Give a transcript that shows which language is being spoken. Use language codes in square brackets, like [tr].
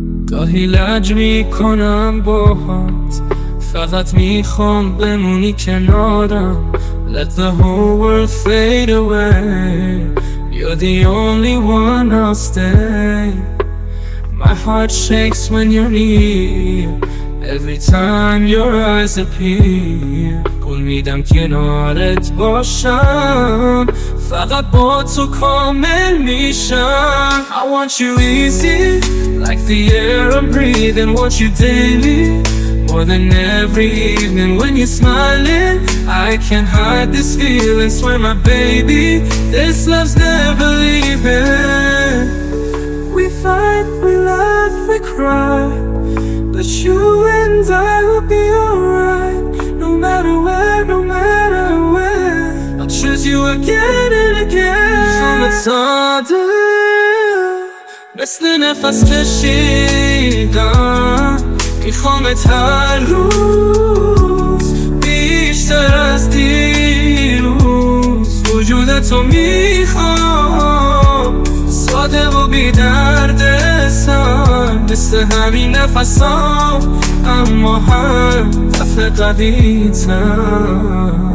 [fa] گاهی لج میکنم با هات، فقط میخوام بمونی کنارم. [en] Let the whole world fade away, you're the only one I'll stay. My heart shakes when you're near, every time your eyes appear. [fa] قول میدم کنارت باشم، فقط با تو کامل میشم. [en] I want you easy, like the air I'm breathing. Want you daily, more than every evening. When you're smiling, I can't hide this feeling. Swear my baby, this love's never leaving. We fight, we laugh, we cry, but you and I will be alright. No matter where, no matter when, I'll choose you again and again. From the side [fa] مثل نفس کشیدم، میخوامت هر روز بیشتر از دیروز، وجود تو میخوام ساده و بی دردستم، مثل همین نفسام اما هر دفعه قوی تر.